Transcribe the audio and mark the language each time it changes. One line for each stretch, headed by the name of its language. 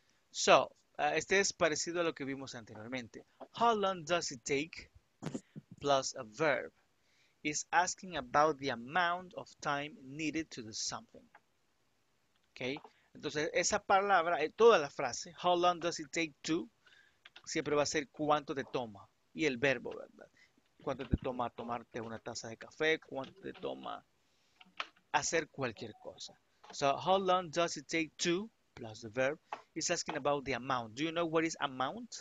Spanish: So, este es parecido a lo que vimos anteriormente.
English: How long does it take? Plus a verb. Is asking about the amount of time needed to do something.
Spanish: Okay. Entonces, esa palabra, toda la frase,
English: how long does it take to,
Spanish: siempre va a ser cuánto te toma. Y el verbo, ¿verdad? Cuánto te toma tomarte una taza de café, cuánto te toma hacer cualquier cosa.
English: So, how long does it take to, plus the verb, is asking about the amount. Do you know what is amount?